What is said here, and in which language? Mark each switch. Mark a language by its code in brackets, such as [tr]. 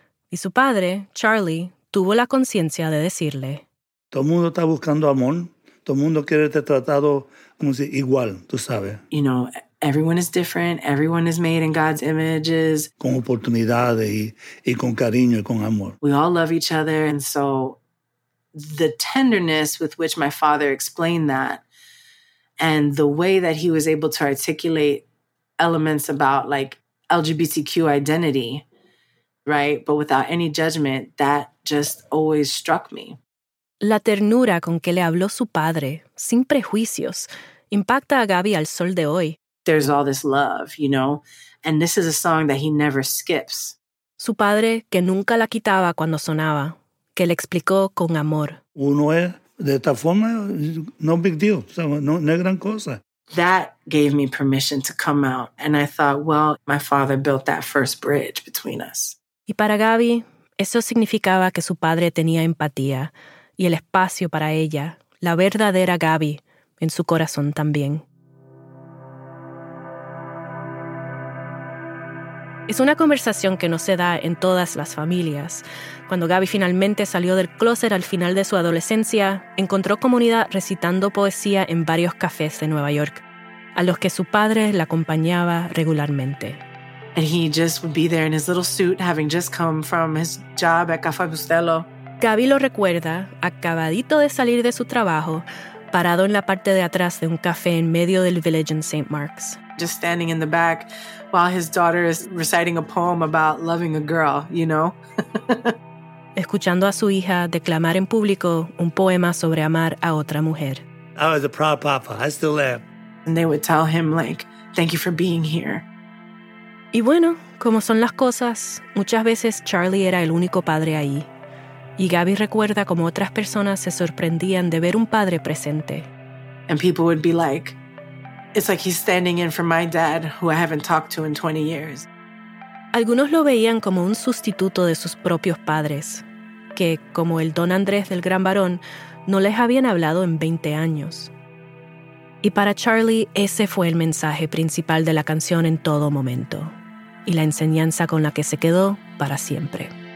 [es] Y su padre, Charlie, tuvo la conciencia de decirle: todo el mundo está buscando amor, todo el mundo quiere ser tratado como si igual, tú sabes. [en] You know, everyone is different. Everyone is made in God's images. [es] Con oportunidades y con cariño y con amor. [en] We all love each other. And so the tenderness with which my father explained that and the way that he was able to articulate elements about like LGBTQ identity, right? But without any judgment, that just always struck me. [es] La ternura con que le habló su padre, sin prejuicios, impacta a Gaby al sol de hoy. [en] There's all this love, you know, and this is a song that he never skips. [es] Su padre, que nunca la quitaba cuando sonaba, que le explicó con amor. Uno es de esta forma, [en] no big deal, [es] no es gran cosa. [en] That gave me permission to come out, and I thought, well, my father built that first bridge between us. [es] Y para Gaby, eso significaba que su padre tenía empatía y el espacio para ella, la verdadera Gaby, en su corazón también. Es una conversación que no se da en todas las familias. Cuando Gaby finalmente salió del clóset al final de su adolescencia, encontró comunidad recitando poesía en varios cafés de Nueva York, a los que su padre la acompañaba regularmente. [en] And he just would be there in his little suit, having just come from his job at Café Bustelo. [es] Gaby lo recuerda, acabadito de salir de su trabajo, parado en la parte de atrás de un café en medio del Village in St. Mark's. [en] Just standing in the back while his daughter is reciting a poem about loving a girl, you know? [es] Escuchando a su hija declamar en público un poema sobre amar a otra mujer. [en] I was a proud papa. I still am. And they would tell him, like, thank you for being here. [es] Y bueno, como son las cosas, muchas veces Charlie era el único padre ahí. Y Gaby recuerda cómo otras personas se sorprendían de ver un padre presente. [en] And people would be like, it's like he's standing in for my dad, who I haven't talked to in 20 years. [es] Algunos lo veían como un sustituto de sus propios padres, que, como el Don Andrés del Gran Varón, no les habían hablado en 20 años. Y para Charlie, ese fue el mensaje principal de la canción en todo momento, y la enseñanza con la que se quedó para siempre.